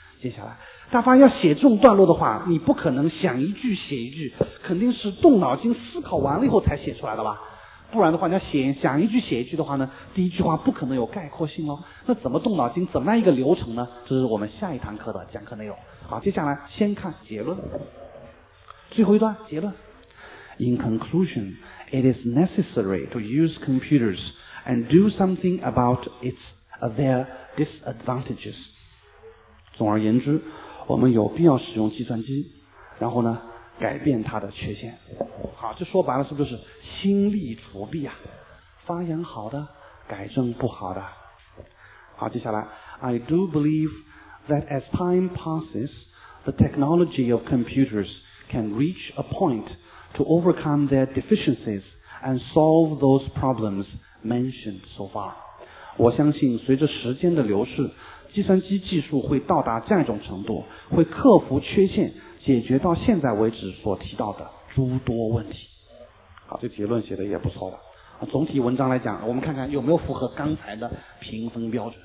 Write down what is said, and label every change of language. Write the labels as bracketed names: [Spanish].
[Chinese] 接下来大发要写这种段落的话，你不可能想一句写一句，肯定是动脑筋思考完了以后才写出来的吧，不然的话你要想一句写一句的话呢，第一句话不可能有概括性哦。那怎么动脑筋，怎么样一个流程呢？这是我们下一堂课的讲课内容。好，接下来先看结论，最后一段结论。 [English] In conclusion, it is necessary to use computers and do something about their disadvantages。 [Chinese] 总而言之，我们有必要使用计算机，然后呢改变它的缺陷。好，这说白了是不是心力除弊啊，发扬好的改正不好的。好，接下来 [English] I do believe that as time passes the technology of computers can reach a point to overcome their deficiencies and solve those problems mentioned so far。 [Chinese] 我相信随着时间的流逝，计算机技术会到达这样一种程度，会克服缺陷，解决到现在为止所提到的诸多问题。好，这结论写的也不错吧。总体文章来讲，我们看看有没有符合刚才的评分标准。